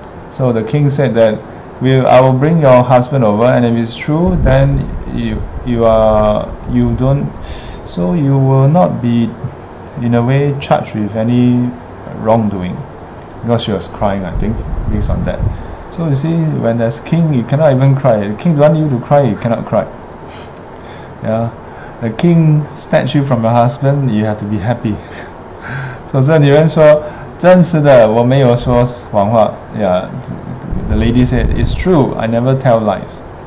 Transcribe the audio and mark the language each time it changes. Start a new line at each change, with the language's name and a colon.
English: So the king said that, I will bring your husband over, and if it's true, then you will not be, in a way, charged with any wrongdoing. Because she was crying, I think, based on that. So you see, when there's king, you cannot even cry. The king wants you to cry, you cannot cry. Yeah, the king snatched you from your husband, you have to be happy.
Chinese: So 这女人说，真实的，我没有说谎话.
English: Yeah, the lady said, it's true, I never tell lies.